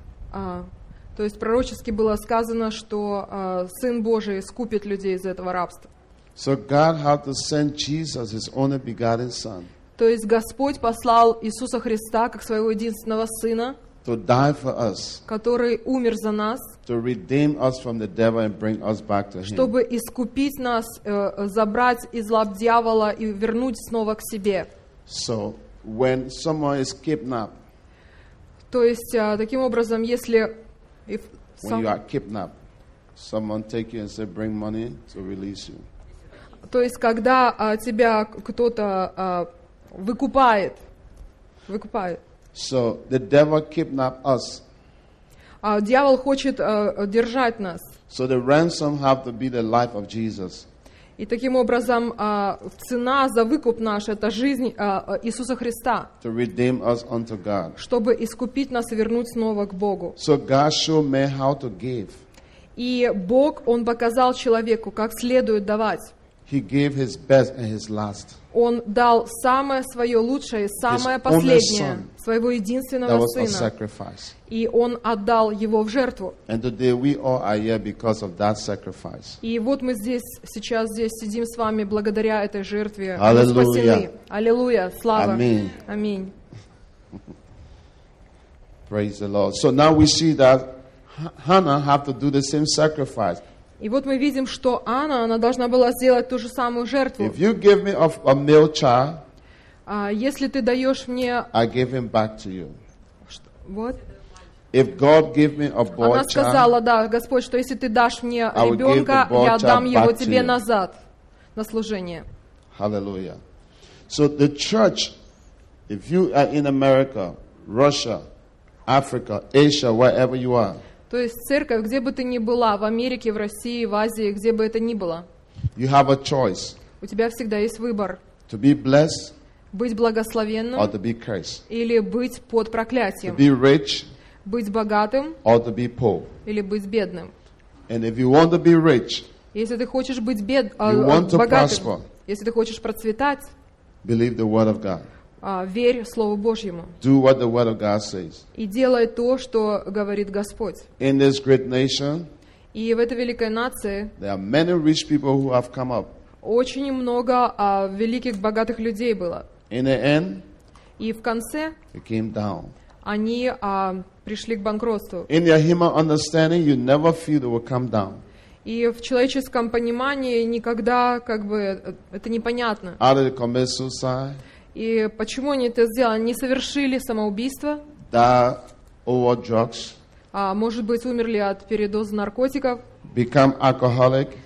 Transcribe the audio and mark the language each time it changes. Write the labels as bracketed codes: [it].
[ru] То есть пророчески было сказано, что Сын Божий искупит людей из этого рабства. [en] So God had to send Jesus, his only begotten Son. [ru] То есть Господь послал Иисуса Христа, как своего единственного Сына, [en] to die for us, [ru] который умер за нас, [en] to redeem us from the devil and bring us back to him, [ru] чтобы искупить нас, забрать из лап дьявола и вернуть снова к себе. [en] So when someone is kidnapped, [ru] то есть таким образом, если [en] when you are kidnapped, someone take you and say, bring money to release you. [ru] То есть когда тебя кто-то выкупает. [en] So the devil kidnapped us. [ru] Дьявол хочет держать нас. [en] So the ransom have to be the life of Jesus. [ru] И таким образом цена за выкуп наш — это жизнь Иисуса Христа. [en] To redeem us unto God. [ru] Чтобы искупить нас и вернуть снова к Богу. [en] So God showed man how to give. [ru] И Бог, он показал человеку, как следует давать. [en] He gave his best and his last. [ru] Он дал самое свое лучшее, самое [en] his [ru] последнее своего единственного [en] that was [ru] сына. [en] A sacrifice. [ru] И он отдал его в жертву. [en] And today we all are here because of that sacrifice. [ru] И вот мы сейчас здесь сидим с вами благодаря этой жертве. Аллилуйя. Аллилуйя. Слава. Аминь. Аминь. [en] Praise the Lord. So now we see that Hannah have to do the same sacrifice. [ru] И вот мы видим, что Анна, она должна была сделать ту же самую жертву. [en] If you give me a male child, [ru] если ты даешь мне, [en] I give him back to you. [ru] Вот. [en] If God give me a boy, [ru] она сказала, да, Господь, что если ты дашь мне ребенка, я дам его тебе назад на служение. [en] Hallelujah. So the church, if you are in America, Russia, Africa, Asia, wherever you are. [ru] То есть церковь, где бы ты ни была, в Америке, в России, в Азии, где бы это ни было. [en] You have a choice. [ru] У тебя всегда есть выбор. [en] To be blessed. [ru] Быть благословенным. [en] Or to be cursed. [ru] Или быть под проклятием. [en] To be rich. [ru] Быть богатым. [en] Or to be poor. [ru] Или быть бедным. [en] And if you want to be rich. [ru] Если ты хочешь быть богатым. [en] You want to prosper. [ru] Если ты хочешь процветать. [en] Believe the word of God. [ru] Верь Слову Божьему. [en] Do what the word of God says. [ru] И делай то, что говорит Господь. [en] In this great nation, [ru] и в этой великой нации, [en] there are many rich people who have come up. [ru] Очень много великих богатых людей было. [en] In the end, [ru] и в конце, [en] they came down. [ru] Они пришли к банкротству. [en] In your human understanding, you never feel they will come down. [ru] И в человеческом понимании никогда, как бы, это непонятно. [en] How did they commit suicide? [ru] И почему они это сделали? Не совершили самоубийство? Да, [en] over drugs. [ru] А может быть, умерли от передозы наркотиков? [en] Become alcoholic.